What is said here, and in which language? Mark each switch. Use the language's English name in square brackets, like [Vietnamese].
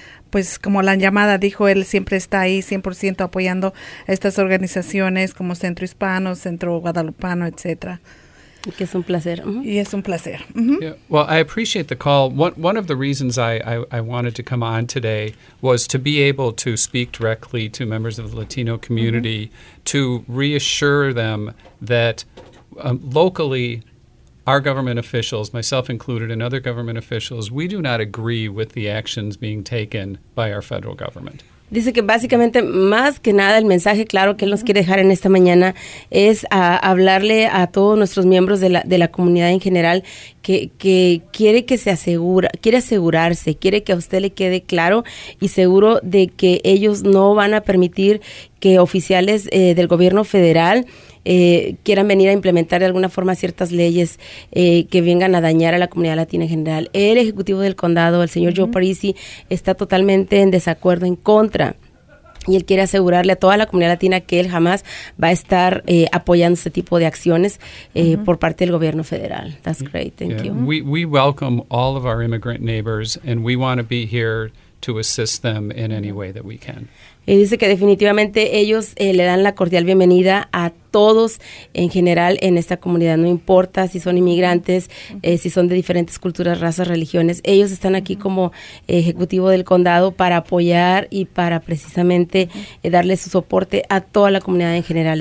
[Spanish] Pues como la llamada dijo, él siempre está ahí 100% apoyando estas organizaciones como Centro Hispano, Centro Guadalupano, etcétera. Que es un placer. Y es un placer. [English] Yeah, well, I appreciate the call. One of the reasons I wanted to come on today was to be able to speak directly to members of the Latino community to reassure them that locally, our government officials, myself included, and other government officials, we do not agree with the actions being taken by our federal government. [Spanish] Dice que básicamente, más que nada, el mensaje claro que él nos quiere dejar en esta mañana es a hablarle a todos nuestros miembros de la comunidad en general que quiere que se asegura, quiere asegurarse, quiere que a usted le quede claro y seguro de que ellos no van a permitir que oficiales del gobierno federal quieran venir a implementar de alguna forma ciertas leyes que vengan a dañar a la comunidad latina en general. El ejecutivo del condado, el señor Joe Parisi, está totalmente en desacuerdo, en contra Y él quiere asegurarle a toda la comunidad latina que él jamás va a estar apoyando este tipo de acciones por parte del gobierno federal. [English] That's great. Thank you. We welcome all of our immigrant neighbors, and we want to be here to assist them in any way that we can. [Spanish] Y dice que definitivamente ellos le dan la cordial bienvenida a todos en general en esta comunidad, no importa si son inmigrantes, si son de diferentes culturas, razas, religiones. Ellos están aquí como ejecutivo del condado para apoyar y para precisamente darle su soporte a toda la comunidad en general.